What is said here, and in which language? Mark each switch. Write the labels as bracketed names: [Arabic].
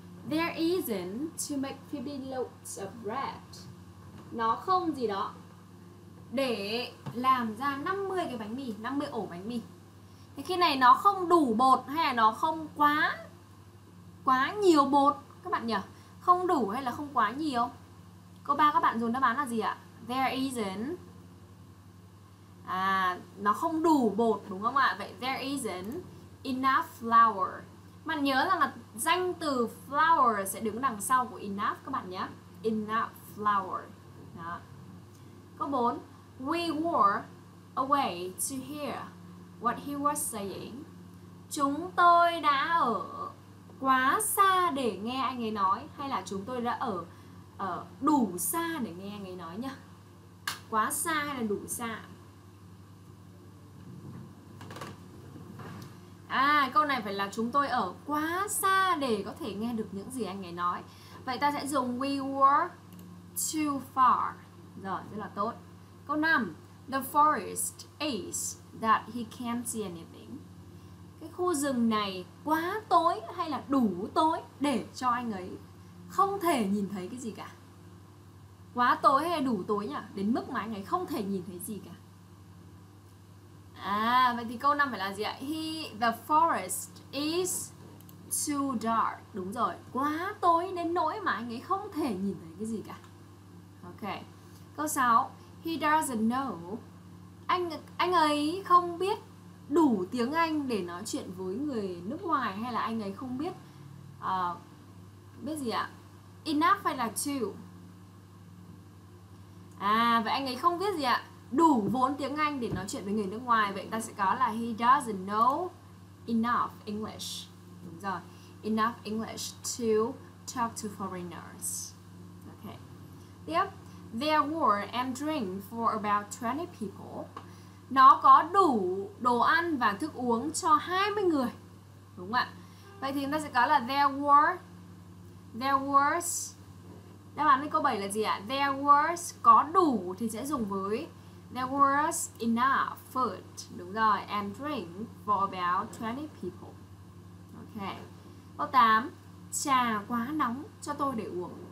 [English] There isn't to make 50 loaves of bread. [Vietnamese] Nó không gì đó để làm ra 50 cái bánh mì, 50 ổ bánh mì. Thế khi này nó không đủ bột hay là nó không quá nhiều bột các bạn nhỉ? Không đủ hay là không quá nhiều? Câu 3 các bạn dùng đáp án là gì ạ? [English] There isn't. [Vietnamese] À, nó không đủ bột đúng không ạ? [English] Vậy there isn't enough flour. [Vietnamese] Bạn nhớ rằng là danh từ flour sẽ đứng đằng sau của enough các bạn nhé. [English] Enough flour. [Vietnamese] Đó. Câu 4. [English] We were away to hear what he was saying. [Vietnamese] Chúng tôi đã ở quá xa để nghe anh ấy nói. Hay là chúng tôi đã ở đủ xa để nghe anh ấy nói nhá. Quá xa hay là đủ xa? À, câu này phải là chúng tôi ở quá xa để có thể nghe được những gì anh ấy nói. Vậy ta sẽ dùng [English] we were too far. [Vietnamese] Rồi, rất là tốt. Câu 5. [English] The forest is that he can't see anything. [Vietnamese] Cái khu rừng này quá tối hay là đủ tối để cho anh ấy không thể nhìn thấy cái gì cả? Quá tối hay đủ tối nhỉ? Đến mức mà anh ấy không thể nhìn thấy gì cả. À, vậy thì câu 5 phải là gì ạ? [English] The forest is too dark. [Vietnamese] Đúng rồi, quá tối đến nỗi mà anh ấy không thể nhìn thấy cái gì cả. Ok. Câu 6. [English] He doesn't know. [Vietnamese] Anh ấy không biết đủ tiếng Anh để nói chuyện với người nước ngoài. Hay là anh ấy không biết biết gì ạ? Enough hay là too? À, vậy anh ấy không biết gì ạ? Đủ vốn tiếng Anh để nói chuyện với người nước ngoài. Vậy ta sẽ có là [English] he doesn't know enough English. [Vietnamese] Đúng rồi. [English] Enough English to talk to foreigners. Ok. Tiếp. There were and drink for about 20 people. [Vietnamese] Nó có đủ đồ ăn và thức uống cho 20 người. Đúng không ạ? Vậy thì chúng ta sẽ có là [English] There was. [Vietnamese] Đáp án với câu 7 là gì ạ? There was, có đủ thì sẽ dùng với [English] there was enough food. [Vietnamese] Đúng rồi. [English] And drink for about 20 people. [Vietnamese] Ok. Câu 8. Trà quá nóng cho tôi để uống.